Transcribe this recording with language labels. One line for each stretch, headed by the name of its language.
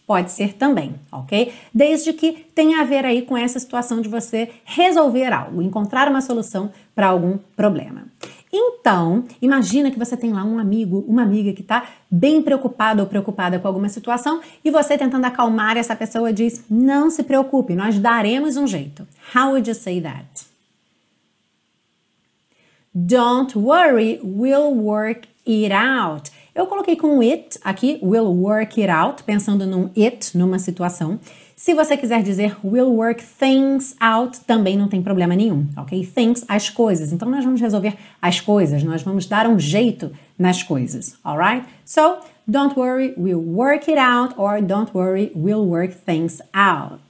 Portuguese: Pode ser também, ok? Desde que tenha a ver aí com essa situação de você resolver algo, encontrar uma solução para algum problema. Então, imagina que você tem lá um amigo, uma amiga que está bem preocupada ou preocupada com alguma situação e você tentando acalmar essa pessoa diz, não se preocupe, nós daremos um jeito.
English: How would you say that? Don't worry, we'll work it out.
Portuguese: Eu coloquei com it aqui,
English: we'll work it out,
Portuguese: pensando num it, numa situação. Se você quiser dizer
English: we'll work things out,
Portuguese: também não tem problema nenhum, ok? Things, as coisas. Então, nós vamos resolver as coisas, nós vamos dar um jeito nas coisas, alright?
English: So, don't worry, we'll work it out, or don't worry, we'll work things out.